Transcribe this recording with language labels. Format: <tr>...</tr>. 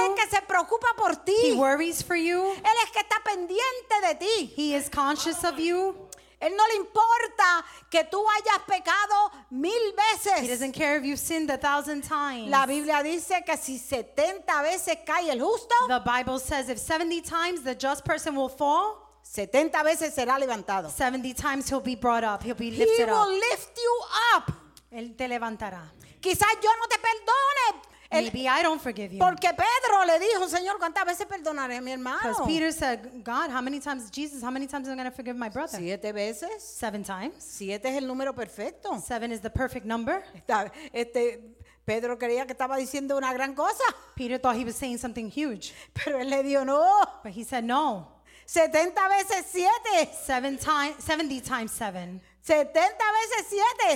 <es>Él es el que se preocupa por ti</es> <en>he worries for you</en> <es>Él es que está pendiente de ti</es> <en>he is conscious of you</en> <es>Él no le importa que tú hayas pecado mil veces.</es> <en>He doesn't care if you've sinned a thousand times.</en> <es>La Biblia dice que si 70 veces cae el justo,</es> <en>the Bible says if 70 times the just person will fall,</en> <es>70 veces será levantado.</es> <en>70 times he'll be brought up, he'll be lifted he up. He will lift you up.</en> <es>Él te levantará. Quizás yo no te perdone.</es> <en>Maybe I don't forgive you.</en> <es>Porque Pedro le dijo, Señor, ¿cuántas veces perdonaré a mi hermano?</es> <en>Because Peter said, God, how many times, Jesus, how many times am I going to forgive my brother?</en> <es>Siete veces.</es> <en>Seven times.</en> <es>Siete es el número perfecto.</es> <en>Seven is the perfect number.</en> <es>Pedro creía que estaba diciendo una gran cosa.</es> <en>Peter thought he was saying something huge.</en> <es>Pero él le dijo no.</es> <en>But he said no.</en> <es>70 veces 7.</es> <en>70 times 7.</en> <es>70 veces 7.</es>